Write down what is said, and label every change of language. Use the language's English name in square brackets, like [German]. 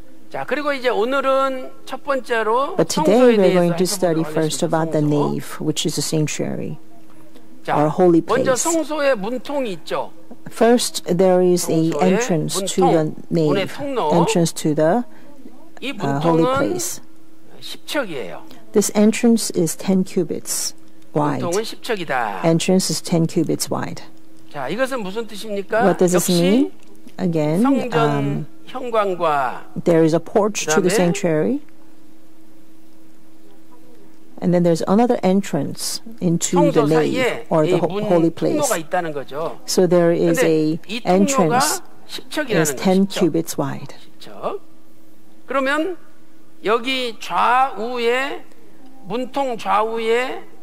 [Korean] 자, 그리고 이제 오늘은 첫 번째로 [English] But today we're going to study first about the nave, which is the sanctuary, our holy place. [Korean] 먼저 성소의 문통이 있죠. [English] First, there is an entrance to the nave, entrance to the holy place. This entrance is 10 cubits. Wide. Entrance is 10 cubits wide. [Korean] 자, 이것은 무슨 뜻입니까? [English] What does this mean? Again, there is a porch to the sanctuary. And then there's another entrance into the nave or the holy place. So there is an entrance that is 10 cubits wide. [Korean] 10척. 그러면 여기 좌우에 문통 좌우에